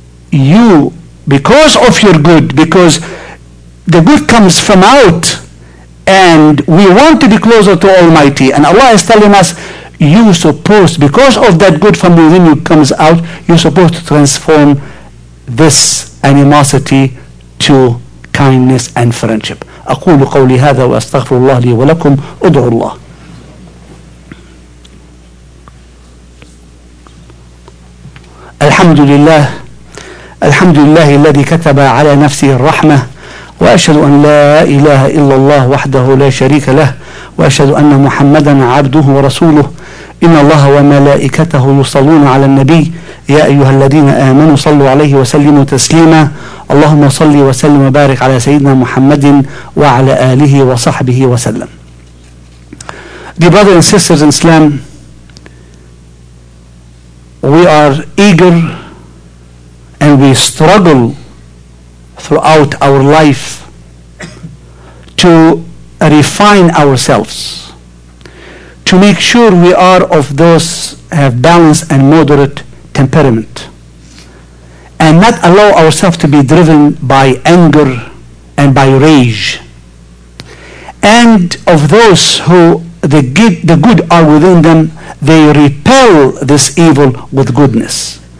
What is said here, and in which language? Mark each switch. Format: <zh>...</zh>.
<en>you, because of your good, because the good comes from out, and we want to be closer to Almighty, and Allah is telling us, you supposed, because of that good from within you comes out, you're supposed to transform this animosity to kindness and friendship.</en> <ar>أقول قولي هذا وأستغفر الله لي ولكم أدعو الله. الحمد لله الحمد لله الذي كتب على نفسه الرحمة وأشهد أن لا إله إلا الله وحده لا شريك له وأشهد أن محمدا عبده ورسوله. إن الله وملائكته يصلون على النبي يا أيها الذين آمنوا صلوا عليه وسلموا تسليما. اللهم صل وسلم وبارك على سيدنا محمد وعلى آله وصحبه وسلم.</ar> <en>Dear brothers and sisters in Islam, we are eager and we struggle throughout our life to refine ourselves, to make sure we are of those have balanced and moderate temperament, and not allow ourselves to be driven by anger and by rage, and of those who the good are within them, they repel this evil with goodness.</en>